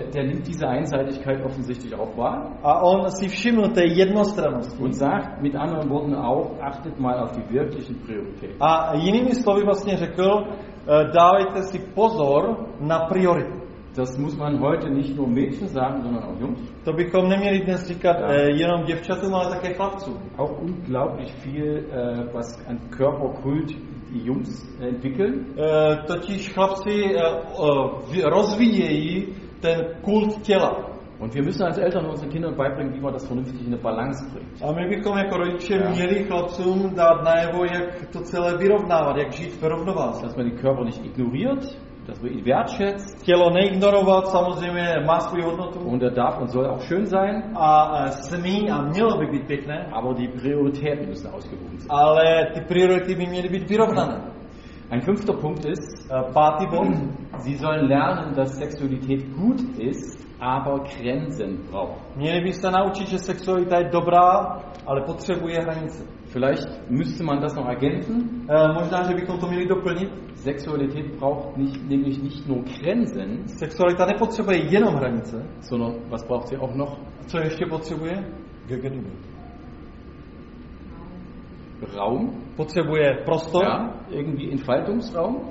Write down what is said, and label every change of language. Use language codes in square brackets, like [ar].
[de] Der nimmt diese Einseitigkeit offensichtlich auch wahr. [cs] A on si všiml té jednostrannosti. [de] Und sagt mit anderen Worten auch, achtet mal auf die wirklichen Prioritäten. [cs] A jinými slovy vlastně řekl, dávejte si pozor na priority. [de] Das muss man heute nicht nur Mädchen sagen, sondern auch Jungs. [cs] To bychom neměli dnes říkat jenom děvčatům, ale také chlapcům. [de] Auch unglaublich viel, was an Körperkult die Jungs entwickeln. [cs] Totiž chlapci rozvíjejí ten kult těla. [de] Und wir müssen als Eltern unseren Kindern beibringen, wie man das vernünftig in eine Balance bringt. [cs] A my bychom jako rodiče měli chlapcům dát najevo, jak to celé vyrovnávat, jak žít v rovnováze. [de] Dass man den Körper nicht ignoriert. Dass wir ihn wertschätzen. [cs] Tělo neignorovat, samozřejmě má svou hodnotu. [de] Und er darf und soll auch schön sein. [cs] A mělo by být pěkné. [de] Aber die Prioritäten müssen ausgewogen sein. [cs] Ale ty priority by měly být vyrovnané. [de] Ein fünfter Punkt ist, Party Bomb. Sie sollen lernen, dass Sexualität gut ist, aber Grenzen braucht. [cs] Měli by se naučit, že sexualita je dobrá, ale potřebuje hranice. [de] Vielleicht müsste man das noch ergänzen. [cs] Možná, že bychom to měli doplnit. [de] Sexualität braucht nicht, nämlich nicht nur Grenzen. [cs] Sexualita nepotřebuje jenom hranice. [de] Sondern was braucht sie auch noch? [cs] Co ještě potřebuje? [de] Gegenüber. Raum. [cs] Potřebuje prostor. [de] Ja, irgendwie Entfaltungsraum.